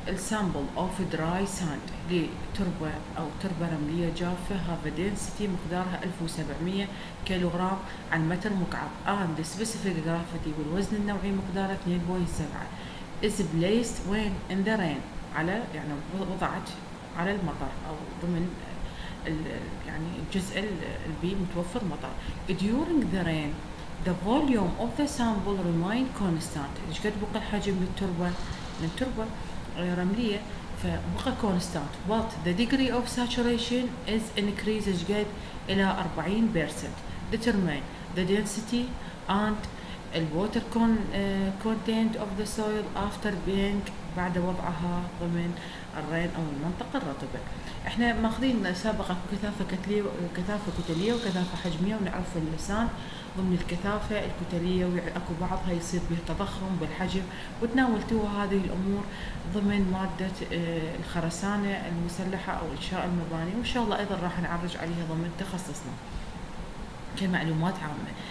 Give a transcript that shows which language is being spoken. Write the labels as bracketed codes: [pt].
[en] Sample of dry sand [ar] لتربة أو تربة رملية جافة [en] have a density [ar] مقدارها 1700 كيلوغرام على متر مكعب [en] and specific gravity [ar] والوزن النوعي مقدارها 2.7 [en] is placed when in the rain [ar] على يعني وضعت على المطر أو ضمن يعني الجزء البي متوفر مطر. [en] During the rain the volume of the sample remains constant. [ar] إيش قد بقى الحجم للتربة؟ للتربة رملية فبقى constant. [en] But the degree of saturation is increased. [ar] إيش قد إلى 40%. [en] Determine the density and the water content of the soil after being [ar] بعد وضعها ضمن الرين أو المنطقة الرطبة. إحنا ماخذين سابقا كثافة كتلية وكثافة حجمية ونعرف اللسان ضمن الكثافة الكتلية وأكو بعضها يصير به تضخم بالحجم وتناولتوا هذه الأمور ضمن مادة الخرسانة المسلحة أو إنشاء المباني وإن شاء الله أيضا راح نعرج عليها ضمن تخصصنا كمعلومات عامة.